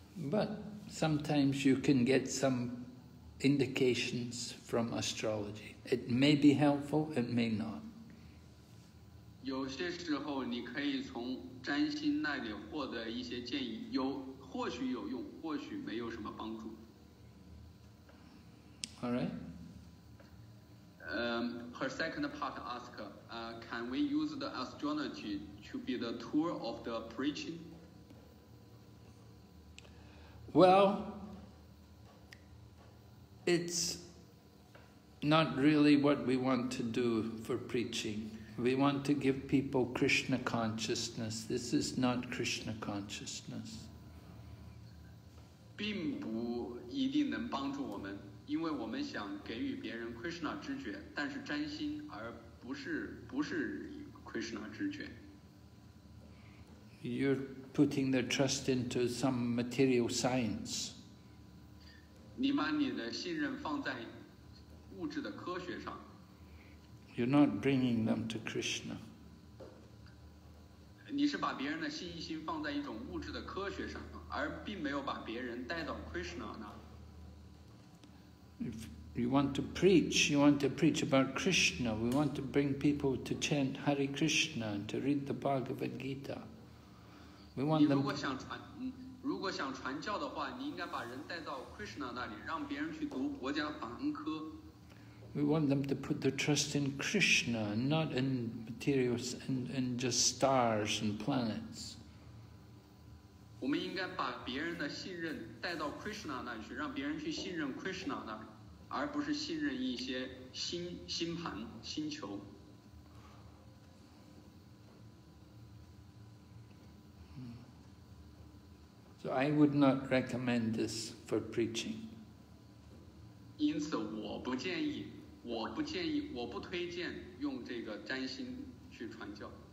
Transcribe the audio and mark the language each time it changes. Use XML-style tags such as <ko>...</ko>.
<en>But sometimes you can get some indications from astrology. It may be helpful, it may not.</en> <zh>有些时候你可以从占星那里获得一些建议，或许有用，或许没有什么帮助。</zh> <en>All right. Her second part ask, can we use the astrology to be the tool of the preaching? Well,It's not really what we want to do for preaching. We want to give people Krishna consciousness. This is not Krishna consciousness.</en> <zh>并不一定能帮助我们，因为我们想给予别人 Krishna 知觉，但是占星而不是 Krishna Krishna 之权。</zh> <en>You're putting the trust into some material science.</en> <zh>你把你的信任放在物质的科学上。</zh> <en>You're not bringing them to Krishna.</en> <zh>你是把别人的信心放在一种物质的科学上，而并没有把别人带到 Krishna 那。</zh> <en>If you want to preach, you want to preach about Krishna. We want to bring people to chant Hare Krishna and to read the Bhagavad Gita. We want them.</en> <zh>如果想传教的话，你应该把人带到 Krishna 那里，让别人去读国家梵科。</zh> <en>We want them to put their trust in Krishna, not in materials and in just stars and planets.</en> <zh>我们应该把别人的信任带到 Krishna 那里去，让别人去信任 Krishna 那里，而不是信任一些星盘、星球。</zh> <en>So I would not recommend this for preaching.</en> <zh>因此我不建议，我不推荐用这个占星去传教。</zh>